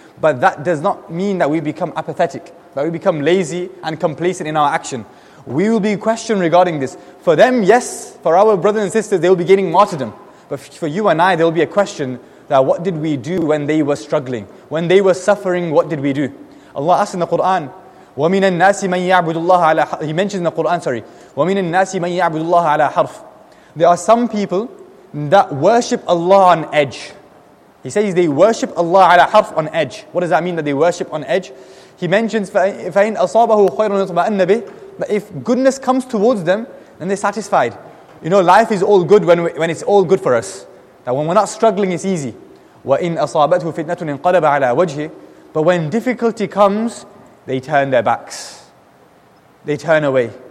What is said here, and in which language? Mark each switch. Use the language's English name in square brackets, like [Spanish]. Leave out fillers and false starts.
[English] But that does not mean that we become apathetic, that we become lazy and complacent in our action. We will be questioned regarding this. For them, yes, for our brothers and sisters, they will be gaining martyrdom. But for you and I, there will be a question that what did we do when they were struggling? When they were suffering, what did we do? Allah asks in the Quran, [Arabic] وَمِنَ النَّاسِ مَنْ يَعْبُدُ اللَّهَ عَلَىٰ حَرْفٍ. [English] He mentions in the Quran, sorry. [Arabic] وَمِنَ النَّاسِ مَنْ يَعْبُدُ اللَّهَ عَلَىٰ حَرْفٍ. [English] There are some people that worship Allah on edge. He says they worship Allah [Arabic] عَلَىٰ حَرْفٍ [English] on edge. What does that mean that they worship on edge? He mentions, [Arabic] فَإِنْ أَصَابَهُ خَيْرٌ يُطْمَأَنَّ بِهِ. [English] If goodness comes towards them, then they're satisfied. Life is all good when it's all good for us. That when we're not struggling, it's easy. [Arabic] وَإِنْ أَصَابَتْهُ فِتْنَةٌ انْقَلَبَ عَلَىٰ وَجْهِهِ. [English] But when difficulty comes, they turn their backs. They turn away.